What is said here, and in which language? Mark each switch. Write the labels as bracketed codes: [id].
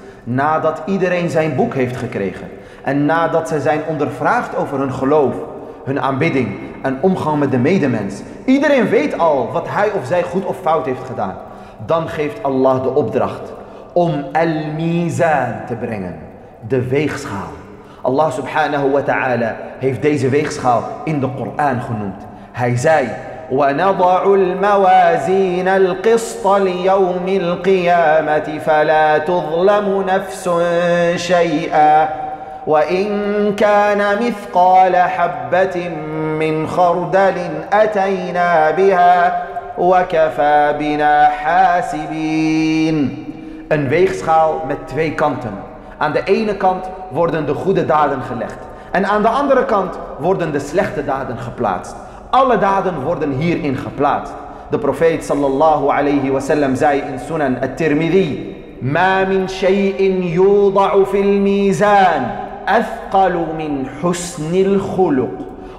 [nl] Nadat iedereen zijn boek heeft gekregen en nadat ze zijn ondervraagd over hun geloof, hun aanbidding en omgang met de medemens. Iedereen weet al wat hij of zij goed of fout heeft gedaan. Dan geeft Allah de opdracht om al-mizan te brengen. De weegschaal. Allah subhanahu wa ta'ala heeft deze weegschaal in de Koran genoemd. Hij zei: [ar] ونضع الموازين القسط ليوم القيامة فلا تظلم نفس شيئا وإن كان مثقال حبة من خردل أتينا بها وكفى بنا حاسبين. [nl] Een weegschaal met twee kanten. Aan de ene kant worden de goede daden gelegd. En aan de andere kant worden de slechte daden geplaatst. Alle daden worden hierin geplaatst. De profeet sallallahu alayhi wa sallam zei in Sunan at-Tirmidhi: [ar] Ma min shay'in yudha'u fil mizan athqalu min husni al-khuluq.